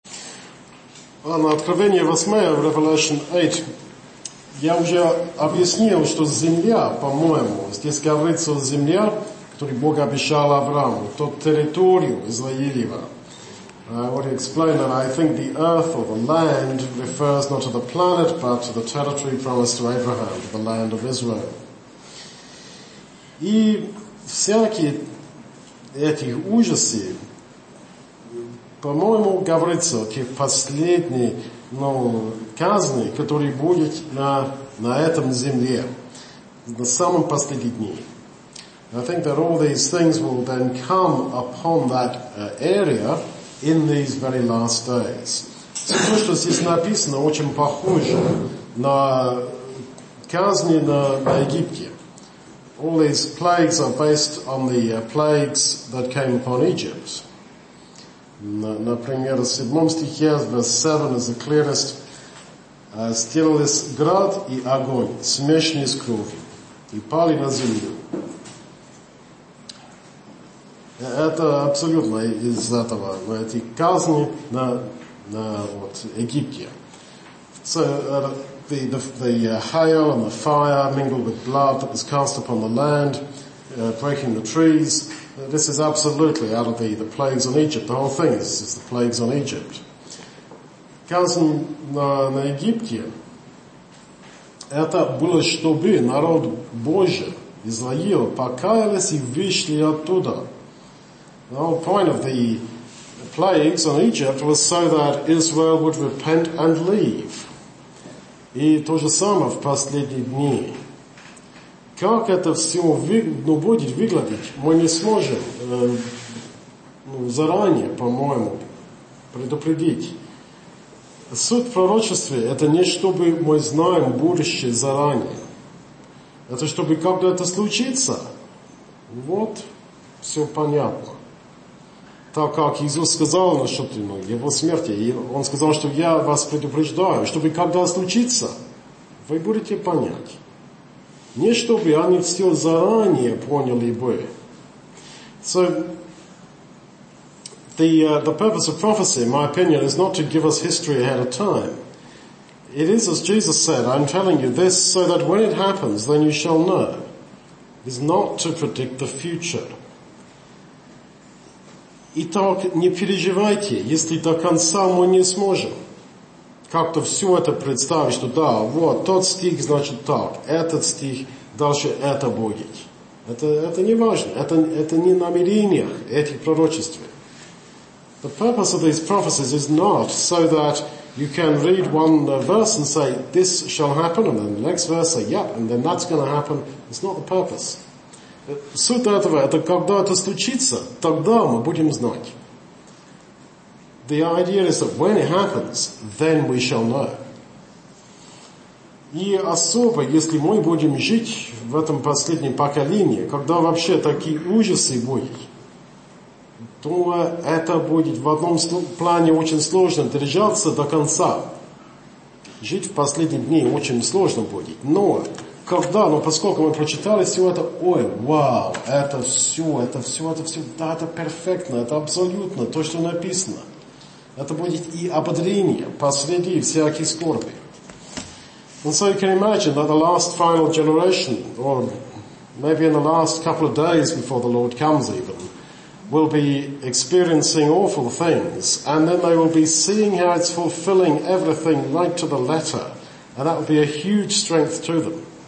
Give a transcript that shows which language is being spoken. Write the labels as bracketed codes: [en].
[ru] А на Откровение 8 в Revelation 8 я уже объяснил, что земля, по-моему, здесь говорится о земле, которую Бог обещал Аврааму, то территорию Израилева. [en] Already explained that I think the earth or the land refers not to the planet, but to the territory promised to Abraham, to the land of Israel. [ru] И всякие эти ужасы, по-моему, говорится, те последние, ну, казни, которые будут на этом земле, на самом последние дни. [en] I think that all these things will then come upon that area in these very last days. [ru] То, что здесь написано, очень похоже на казни на Египте. [en] All these plagues are based on the plagues that came upon Egypt. [ru] Например, в 7 стихе, [en] verse 7 is the clearest. [ru] Стелились град и огонь, смешанные с кровью, и пали на землю. Это абсолютно из этого, эти казни на вот, Египте. [en] So, the hail and the fire mingled with blood that was cast upon the land, breaking the trees. This is absolutely out of the plagues on Egypt. The whole thing is the plagues on Egypt. [ru] Казнь на Египте – это было, чтобы народ Божий, Израил, покаялись и вышли оттуда. [en] The whole point of the plagues on Egypt was so that Israel would repent and leave. [ru] И то же самое в последние дни. Как это все будет выглядеть, мы не сможем заранее, по-моему, предупредить. Суть пророчества – это не чтобы мы знаем будущее заранее. Это чтобы когда это случится, вот, все понятно. Так как Иисус сказал насчет его смерти, и он сказал, что я вас предупреждаю, чтобы когда случится, вы будете понять. Не чтобы они все заранее поняли бы. [en] So, the purpose of prophecy, in my opinion, is not to give us history ahead of time. It is, as Jesus said, I'm telling you this so that when it happens, then you shall know. It is not to predict the future. [ru] Итак, не переживайте, если до конца мы не сможем. Как-то все это представить, что да, вот, тот стих значит так, этот стих, дальше это будет. Это не важно, это не намерение этих пророчеств. [en] The purpose of these prophecies is not so that you can read one verse and say, this shall happen, and then the next verse say, yep, and then that's going to happen. It's not the purpose. [ru] Суть этого, это когда это случится, тогда мы будем знать. [en] The idea is that when it happens, then we shall know. [ru] И особо, если мы будем жить в этом последнем поколении, когда вообще такие ужасы будут, то это будет в одном плане очень сложно держаться до конца. Жить в последние дни очень сложно будет. Но поскольку мы прочитали все это, ой, вау, это все, да, это перфектно, это абсолютно то, что написано. Это будет и ободрение посреди всяких скорби. [en] And so you can imagine that the last final generation, or maybe in the last couple of days before the Lord comes even, will be experiencing awful things, and then they will be seeing how it's fulfilling everything right to the letter, and that will be a huge strength to them.